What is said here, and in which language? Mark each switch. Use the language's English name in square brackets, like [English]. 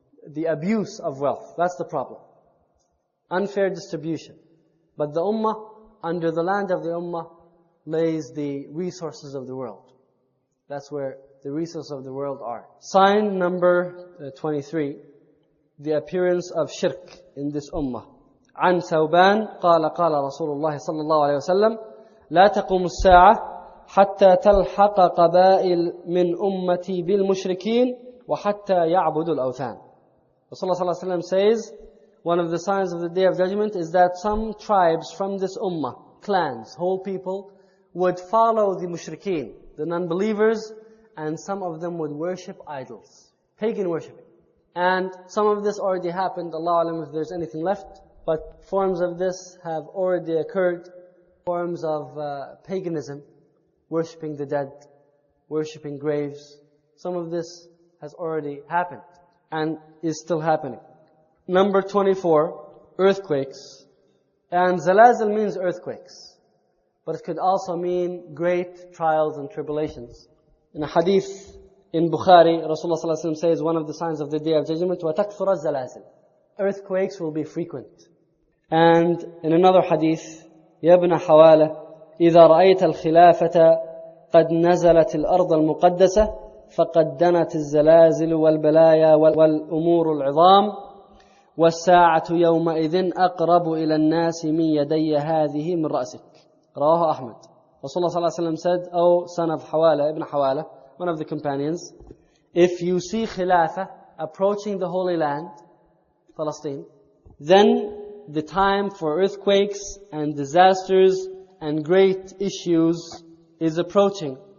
[English] The abuse of wealth. That's the problem. Unfair distribution. But the ummah, under the land of the ummah, lays the resources of the world. That's where the resources of the world are. Sign number 23, the appearance of shirk in this ummah. [Arabic] عن ثوبان قال قال رسول الله صلى الله عليه وسلم لا تقوم الساعة حتى تلحق قبائل من أمتي بالمشركين وحتى يعبدوا الأوثان. [English] رسول الله صلى الله عليه وسلم says, one of the signs of the Day of Judgment is that some tribes from this ummah, clans, whole people, would follow the mushrikeen, the non-believers, and some of them would worship idols, pagan worshiping. And some of this already happened, Allah alam if there's anything left, but forms of this have already occurred, forms of paganism, worshiping the dead, worshiping graves. Some of this has already happened and is still happening. Number 24, earthquakes. And zalazil means earthquakes, but it could also mean great trials and tribulations. In a hadith in Bukhari, Rasulullah ﷺ says one of the signs of the Day of Judgment, [Arabic] وَتَكْثُرَ الزَّلَازِلِ. [English] Earthquakes will be frequent. And in another hadith, [Arabic] يَبْنَ حَوَالَ إِذَا رَأَيْتَ الْخِلَافَةَ قَدْ نَزَلَتِ الْأَرْضَ الْمُقَدَّسَةِ فَقَدْ دَنَتِ الزَّلَازِلُ وَالْبَلَايَا وَالْأُمُورُ الْعِظَامِ وَالسَّاعَةُ يَوْمَئِذٍ أَقْرَبُ إِلَى النَّاسِ مِنْ يَدَيَّ هَذِهِ مِنْ رَأْسِكَ. رواه أحمد. [English] Rasulullah صلى الله عليه وسلم said, oh son of Hawala, Ibn Hawala, one of the companions, if you see Khilafah approaching the Holy Land, Palestine, then the time for earthquakes and disasters and great issues is approaching.